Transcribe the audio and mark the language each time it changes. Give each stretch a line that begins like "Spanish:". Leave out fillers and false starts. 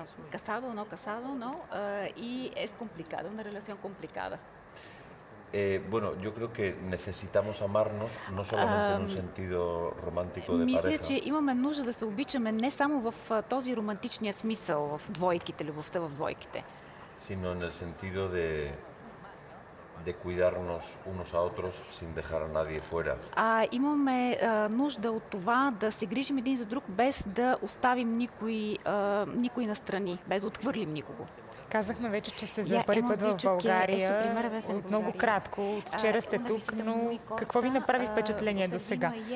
Spanish: Casado, no casado, no, y es complicado, una relación complicada. Bueno, yo creo que necesitamos amarnos, no solamente en un sentido romántico de
Bulgarian: мисля,
Spanish: pareja.
Bulgarian: Че имаме нужда да се обичаме не само в този романтичния смисъл, в двойките, любовта в двойките.
Spanish: Sino en el sentido de... De cuidarnos unos a otros sin dejar a nadie fuera.
Bulgarian: Имаме нужда от това да се грижим един за друг, без да оставим никой настрани, без да отхвърлим никого. Казахме вече, че сте за първи път в България. Много кратко, от вчера сте тук, но какво ви направи впечатление до сега?